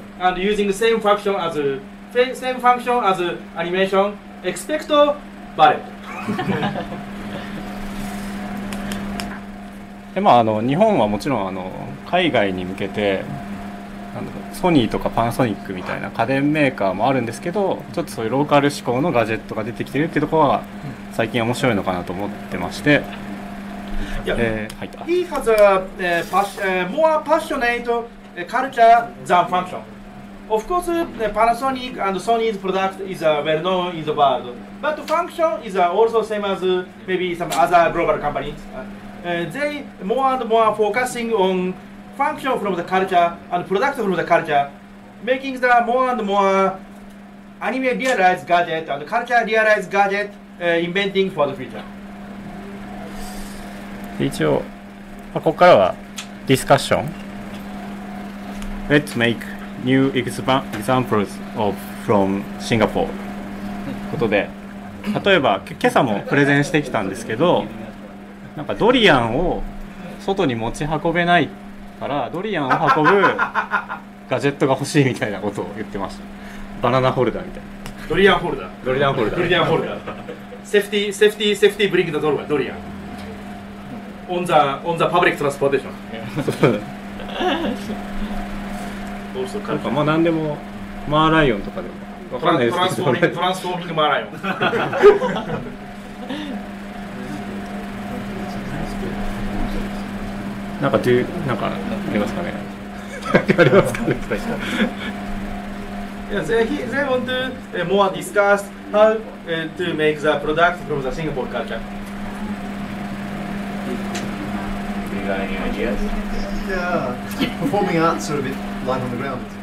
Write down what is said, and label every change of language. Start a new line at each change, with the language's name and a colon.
English: And using the same function as animation, expect ballet.
Japanese: でまあ、日本はもちろん海外に向けてソニーとかパナソニックみたいな家電メーカーもあるんですけど、ちょっとそういうローカル志向のガジェットが出てきてるっていうところは最近面白いのかなと思ってまして、
English: はい、He has a more passionate culture than function. Of course, Panasonic and Sony's product is well known in the world, but function is also same as maybe some other global companies. They more and more focusing on function from the culture and product from the culture, making the more and more anime realized gadget and culture realized gadget inventing for the future.
Japanese: 一応、まあ、ここからはディスカッション。
English: Let's make new examples of from Singapore.
Japanese: ことで、例えば今朝もプレゼンしてきたんですけど。なんかドリアンを外に持ち運べないからドリアンを運ぶガジェットが欲しいみたいなことを言ってました。バナナホルダーみたいな。ドリアンホルダー、ドリアンホルダー、ドリアンホルダー、セーフティー、セーフティー、セーフティー、ブリングザドルバー、ドリアン
English: on the public transportation.
Japanese: Also, なんかまあ何でもマーライオンとかでも分かんないですけど、ね、トランスフォーミングマーライオン。なんかどうなんかありますかね。ありますかね。確かに。
English: Yeah, they want to more discuss how to make the product from the Singapore culture. You got any ideas? Yeah, performing arts are a bit light on the ground.